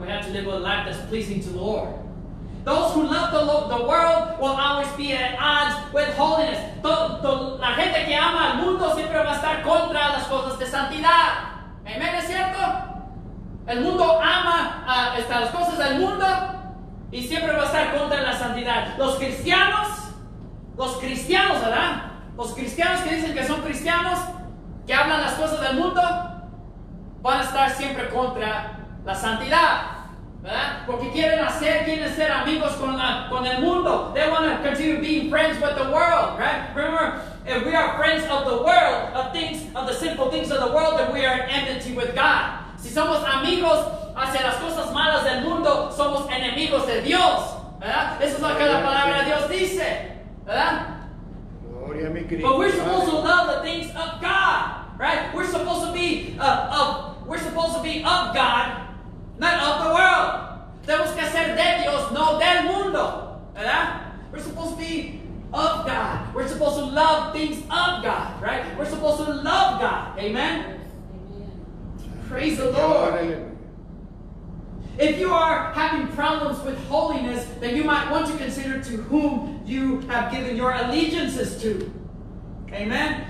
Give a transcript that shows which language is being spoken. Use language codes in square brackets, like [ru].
[en] We have to live a life that's pleasing to the Lord. Those who love the world will always be at odds with holiness. [es] La gente que ama al mundo siempre va a estar contra las cosas de santidad. ¿Amén? ¿Es cierto? El mundo ama las cosas del mundo y siempre va a estar contra la santidad. Los cristianos, ¿verdad? Los cristianos que dicen que son cristianos, que hablan las cosas del mundo, van a estar siempre contra la santidad. ¿Verdad? Porque quieren ser amigos con el mundo. [en] They want to continue being friends with the world, right? Remember, if we are friends of the world, of the sinful things of the world, then we are in enmity with God. [es] Si somos amigos hacia las cosas malas del mundo, somos enemigos de Dios. ¿Verdad? Eso es lo que la palabra de Dios dice. ¿Verdad? [en] But we're supposed to love the things of God, right? We're supposed to be of God, not of the world. [es] Tenemos que ser de Dios, no del mundo. ¿Verdad? [en] We're supposed to be of God. We're supposed to love things of God, right? We're supposed to love God. Amen? Praise the Lord. If you are having problems with holiness, then you might want to consider to whom you have given your allegiances to. Amen?